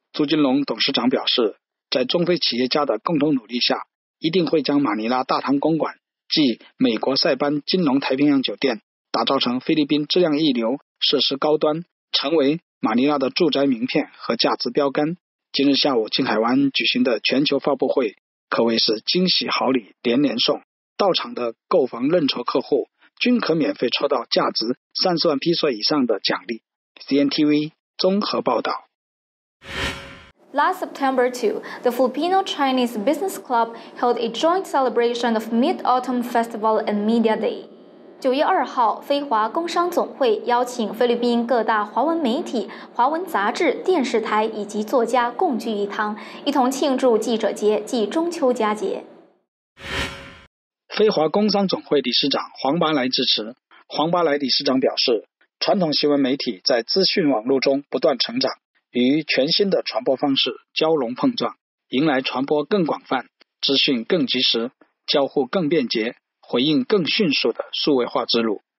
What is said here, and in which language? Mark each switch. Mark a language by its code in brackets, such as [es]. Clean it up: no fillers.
[zh] 朱金龙董事长表示，在中非企业家的共同努力下，一定会将马尼拉大堂公馆即美国塞班金龙太平洋酒店打造成菲律宾质量一流、设施高端，成为马尼拉的住宅名片和价值标杆。今日下午金海湾举行的全球发布会可谓是惊喜好礼连连送，到场的购房认筹客户均可免费抽到价值30万披索以上的奖励。 CNTV 综合报道。 [en] Last September 2, the Filipino-Chinese Business Club held a joint celebration of Mid-Autumn Festival and Media Day. [zh] 9月2号，菲华工商总会邀请菲律宾各大华文媒体、华文杂志、电视台以及作家共聚一堂，一同庆祝记者节暨中秋佳节。菲华工商总会理事长黄巴莱致辞。黄巴莱理事长表示，传统新闻媒体在资讯网络中不断成长，与全新的传播方式交融碰撞，迎来传播更广泛、资讯更及时、交互更便捷、回应更迅速的数位化之路。